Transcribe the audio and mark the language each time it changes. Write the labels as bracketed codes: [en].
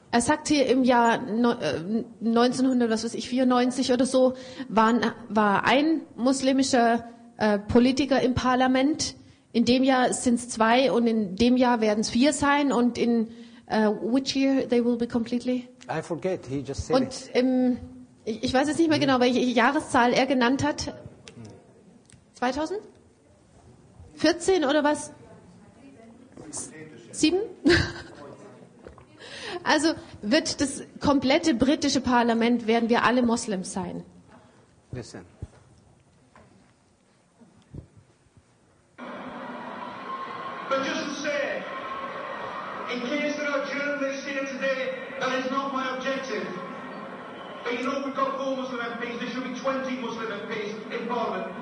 [de] Er sagt hier im Jahr 1994 oder so war ein muslimischer Politiker im Parlament. In dem Jahr sind es zwei und in dem Jahr werden es vier sein. [en] Und in which year they will be completely? I forget. He just said [de] und ich weiß jetzt nicht mehr genau, welche Jahreszahl er genannt hat. 2014 oder was? Sieben? Also wird das komplette britische Parlament, werden wir alle Moslems sein. [en] Listen. But just to say, in case there are journalists here today, that is not my objective. But you know, we've got four Muslim MPs, there should be 20 Muslim MPs in Parliament.